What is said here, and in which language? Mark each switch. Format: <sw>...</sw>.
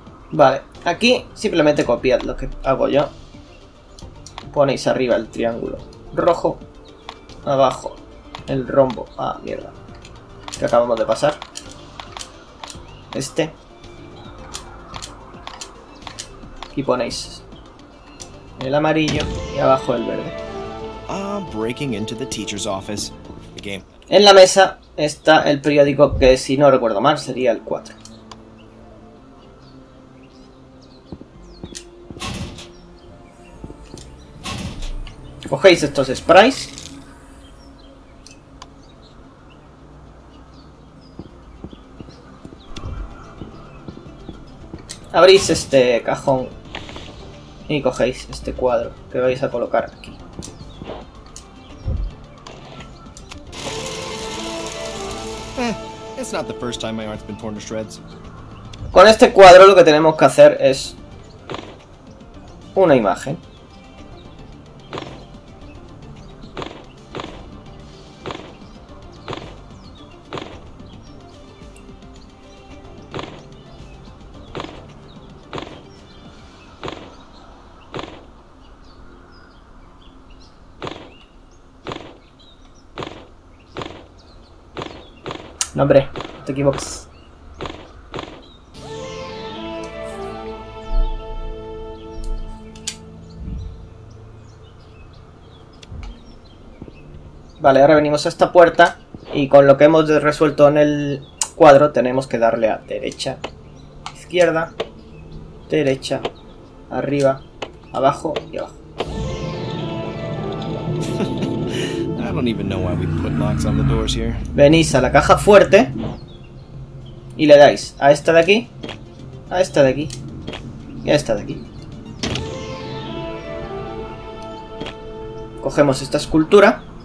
<es>Vale, aquí simplemente copiad lo que hago yo. Ponéis arriba el triángulo rojo, abajo el rombo. Ah, mierda. Que acabamos de pasar. Este. Y ponéis el amarillo y abajo el verde.</es> <en>Breaking into the teacher's office. The game.</en> <es>En la mesa está el periódico, que si no recuerdo mal sería el 4. Cogéis estos sprays. Abrís este cajón. Y cogéis este cuadro que vais a colocar aquí.</es> <en>It's not the first time my art's been torn to shreds.</en> <es>Con este cuadro lo que tenemos que hacer es una imagen. No, hombre, no te equivoques. Vale, ahora venimos a esta puerta y con lo que hemos resuelto en el cuadro tenemos que darle a derecha, izquierda, derecha, arriba, abajo y abajo.</es> <en>I don't even know why we put locks on the doors here.</en> <es>Venís a la caja fuerte y le dais a esta de aquí, a esta de aquí y a esta de aquí. Cogemos esta escultura.</es>